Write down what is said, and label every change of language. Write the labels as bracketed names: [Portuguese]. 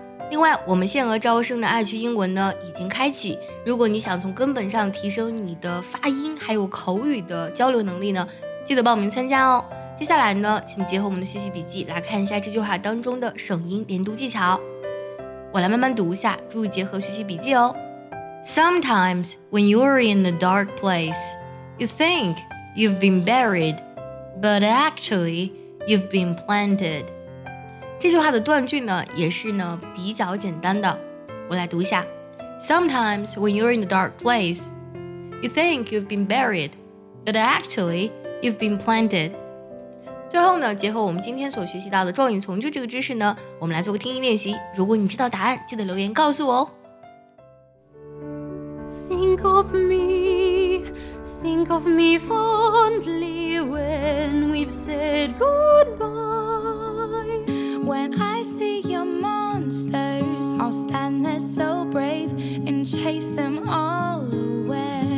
[Chinese] 另外我们限额招生的爱趣英文呢已经开启，如果你想从根本上提升你的发音还有口语的交流能力呢记得报名参加哦。接下来呢请结合我们的学习笔记来看一下这句话当中的省音连读技巧，我来慢慢读一下，注意结合学习笔记哦。 [English] Sometimes when you're in a dark place you think you've been buriedBut actually, you've been planted. [Chinese] 这句话的断句呢，也是呢比较简单的。我来读一下。 Sometimes when you're in a dark place, you think you've been buried, but actually, you've been planted. 最后呢，结合我们今天所学习到的状语从句这个知识呢，我们来做个听力练习。如果你知道答案，记得留言告诉我哦。 [English] Think of me. Think of me fondly when we've said goodbye. When I see your monsters, I'll stand there so brave and chase them all away.